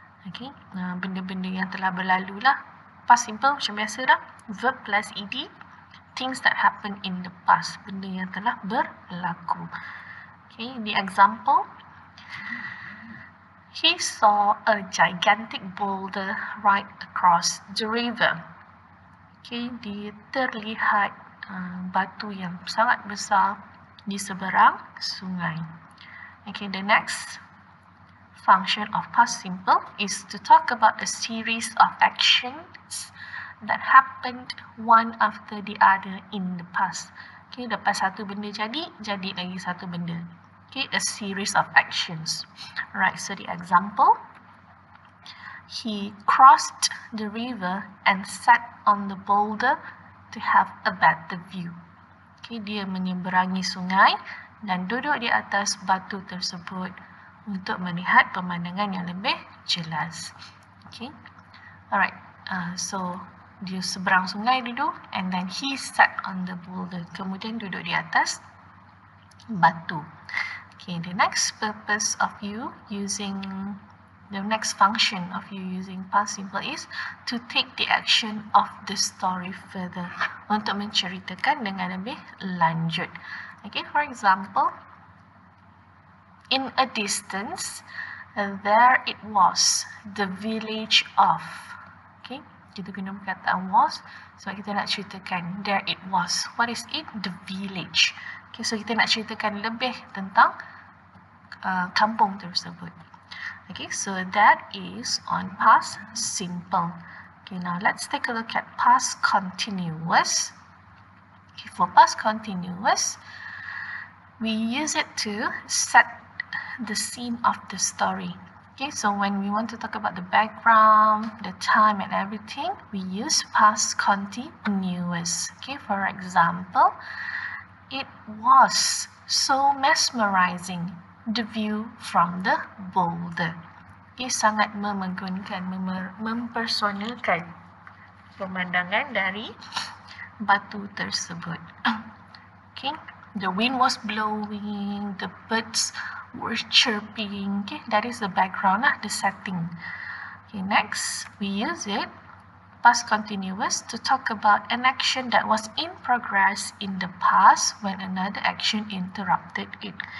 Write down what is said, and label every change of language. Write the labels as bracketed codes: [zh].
[ms] Okay, benda-benda yang telah berlalu lah. Past simple macam biasa lah. [en] Verb plus ed, things that happen in the past, [ms] benda yang telah berlaku. [en] Okay, the example. He saw a gigantic boulder right across the river. [ms] Okay, dia terlihat batu yang sangat besar di seberang sungai. [en] Okay, the next function of past simple is to talk about a series of actions that happened one after the other in the past. [ms] Okay, lepas satu benda jadi, jadi lagi satu benda. Okay, [en] a series of actions. Right, so the example, he crossed the river and sat on the boulder to have a better view. [ms] Okay, dia menyeberangi sungai dan duduk di atas batu tersebut untuk melihat pemandangan yang lebih jelas. Okay. Alright. So, dia seberang sungai dulu. [en] And then, he sat on the boulder. [ms] Kemudian, duduk di atas batu. [en] Okay. The next purpose of you using, the next function of you using past simple is to take the action of the story further. [ms] Untuk menceritakan dengan lebih lanjut. [en] Okay. For example, in a distance, there it was, the village of. Okay, [ms] kita guna perkataan [en] was. So, [ms] kita nak ceritakan, [en] there it was. What is it? The village. [ms] Okay, so kita nak ceritakan lebih tentang kampung tersebut. [en] Okay, so that is on past simple. Okay, now let's take a look at past continuous. Okay, for past continuous, we use it to set the scene of the story. Okay, so when we want to talk about the background, the time and everything, we use past continuous. Okay, for example, it was so mesmerizing, the view from the boulder. [ms] Okay, sangat memegunkan, mempersonalkan pemandangan dari batu tersebut. [en] Okay, the wind was blowing, the birds were chirping. Okay, that is the background lah, the setting. Okay, next, we use it, past continuous, to talk about an action that was in progress in the past when another action interrupted it.